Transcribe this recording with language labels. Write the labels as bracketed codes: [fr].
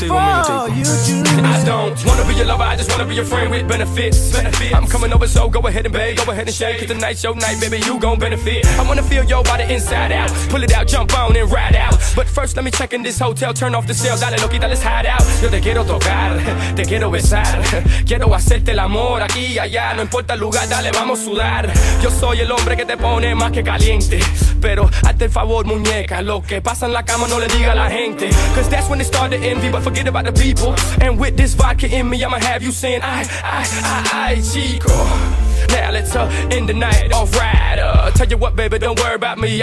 [en] do. I don't wanna be your lover, I just wanna be your friend with benefits. I'm coming over, so go ahead and bathe, go ahead and shake. Cause tonight's your night, baby, you gon' benefit. I wanna feel your body inside out. Pull it out, jump on and ride out. But first let me check in this hotel, turn off the cells. [es] Dale, loquita, [en] let's hide out. [es] Yo te quiero tocar, te quiero besar. Quiero hacerte el amor aquí y allá. No importa el lugar, dale, vamos a sudar. Yo soy el hombre que te pone más que caliente. Pero hazte el favor, muñeca, lo que pasa en la cama no le diga a la gente. [en] Cause that's when they start to envy, but forget about the people. And with this vodka in me, I'ma have you saying, I, chico. Now let's end the night off right. Tell you what, baby, don't worry about me.